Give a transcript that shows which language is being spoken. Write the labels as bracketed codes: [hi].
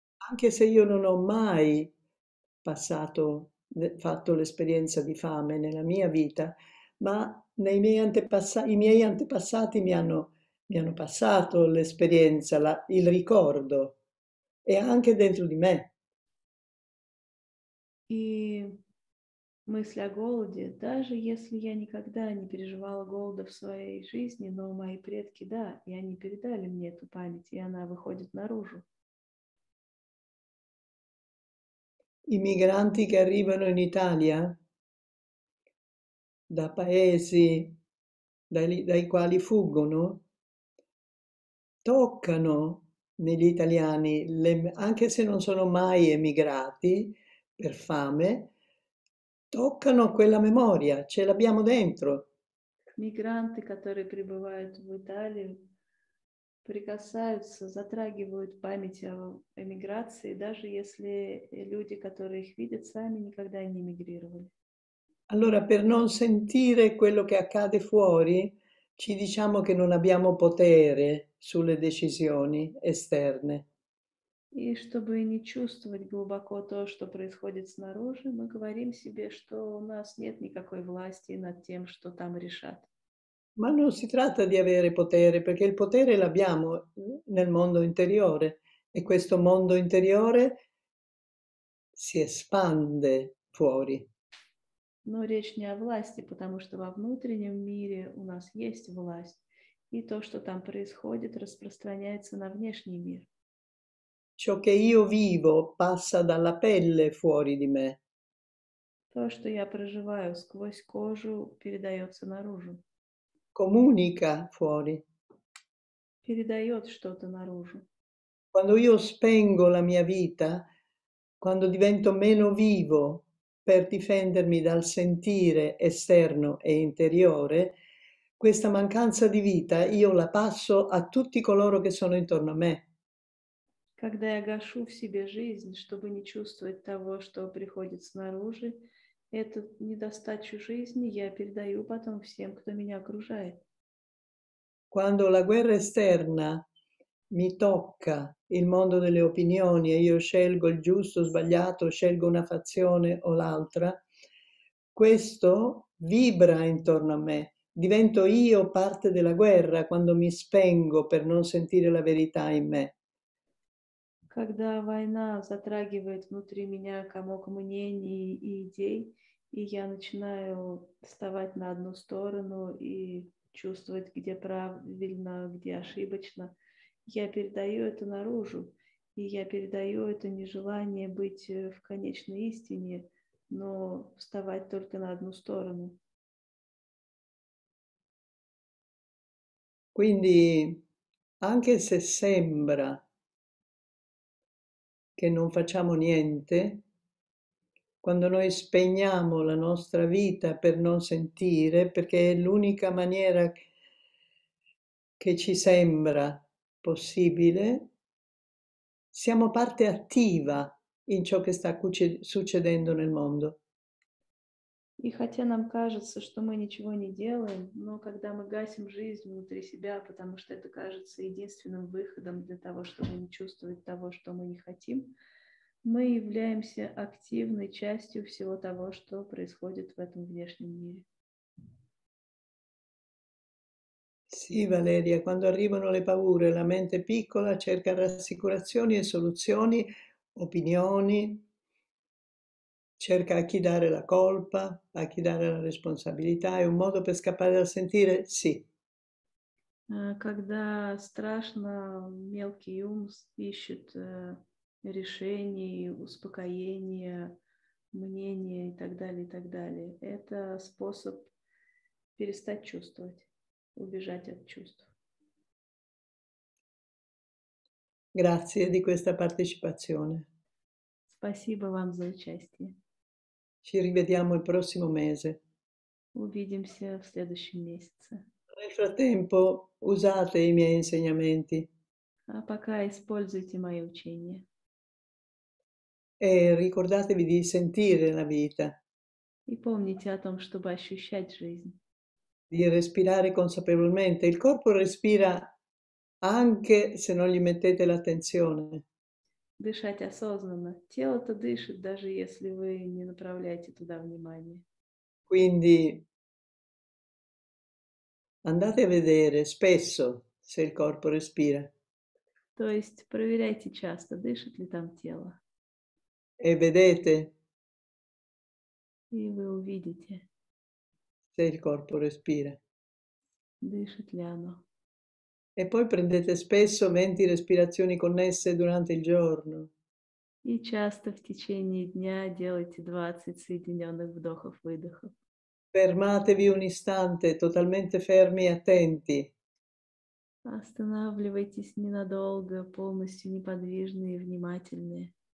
[it] anche se io non ho mai passato, fatto l'esperienza di fame nella mia vita, ma nei miei antepassati, i miei antepassati mi hanno passato l'esperienza, il ricordo, e anche dentro di me. [ru] И мысль о голоде, даже если я никогда не переживала голода в своей жизни, но мои предки, да, и они передали мне эту память, и она выходит наружу. [it] I migranti che arrivano in Italia, da paesi dai quali fuggono, toccano negli italiani, anche se non sono mai emigrati per fame, toccano quella memoria, ce l'abbiamo dentro. [ru] Мигранты, которые прибывают в Италию, прикасаются, затрагивают память о эмиграции, даже если люди, которые их видят, сами никогда не эмигрировали. [it] Allora, per non sentire quello che accade fuori, ci diciamo che non abbiamo potere sulle decisioni esterne. [ru] И чтобы не чувствовать глубоко то, что происходит снаружи, мы говорим себе, что у нас нет никакой власти над тем, что там решат. [it] Ma non si tratta di avere potere, perché il potere l'abbiamo nel mondo interiore e questo mondo interiore si espande fuori. [ru] Но речь не о власти, потому что во внутреннем мире у нас есть власть, и то, что там происходит, распространяется на внешний мир. [it] Ciò che io vivo passa dalla pelle fuori di me. [ru] То, что я проживаю сквозь кожу, передается наружу. [it] Comunica fuori. [ru] Передает что-то наружу. [it] Quando io spengo la mia vita, quando divento meno vivo per difendermi dal sentire esterno e interiore, questa mancanza di vita io la passo a tutti coloro che sono intorno a me. [ru] Когда я гашу в себе жизнь, чтобы не чувствовать того, что приходит снаружи, эту недостачу жизни я передаю потом всем, кто меня окружает. [it] Quando la guerra esterna mi tocca il mondo delle opinioni e io scelgo il giusto o sbagliato, scelgo una fazione o l'altra, questo vibra intorno a me. Divento io parte della guerra quando mi spengo per non sentire la verità in me. [ru] Когда война затрагивает внутри меня комок мнений и идей, и я начинаю вставать на одну сторону и чувствовать, где правильно, где ошибочно, я передаю это наружу, и я передаю это нежелание быть в конечной истине, но вставать только на одну сторону. [it] Quindi, anche se sembra che non facciamo niente, quando noi spegniamo la nostra vita per non sentire, perché è l'unica maniera che ci sembra possibile, siamo parte attiva in ciò che sta succedendo nel mondo. [ru] И хотя нам кажется, что мы ничего не делаем, но когда мы гасим жизнь внутри себя, потому что это кажется единственным выходом для того, чтобы не чувствовать того, что мы не хотим, мы являемся активной частью всего того, что происходит в этом внешнем мире. [it] Sì, Valeria, quando arrivano le paure, la mente piccola cerca rassicurazioni e soluzioni, opinioni, cerca a chi dare la colpa, a chi dare la responsabilità, è un modo per scappare dal sentire sì. [ru] Когда страшно, мелкий ум ищет решений, успокоения, мнения и так далее. Это способ перестать чувствовать, убежать от чувств. [it] Грация di questa partecipazione. [ru] Спасибо вам за участие. [it] Ci rivediamo il prossimo mese. [ru] Увидимся в следующем месяце. [it] Nel frattempo, usate i miei insegnamenti. E [ru] А пока используйте мои учения. [it] ricordatevi di sentire la vita, [ru] И помните о том, чтобы ощущать жизнь. [it] di respirare consapevolmente. Il corpo respira anche se non gli mettete l'attenzione. [ru] Дышать осознанно. Тело-то дышит, даже если вы не направляете туда внимание. [it] Quindi andate a vedere spesso se il corpo respira. E [ru] То есть проверяйте часто, дышит ли там тело. [it] vedete [ru] И вы увидите, [it] se il corpo respira. [ru] дышит ли оно. [it] E poi prendete spesso 20 respirazioni connesse durante il giorno. [ru] И часто в течение дня делайте 20 соединенных вдохов-выдохов. [it] Ферматевi un istante, totalmente fermi e attenti. [ru] Останавливайтесь ненадолго, полностью неподвижные и внимательные.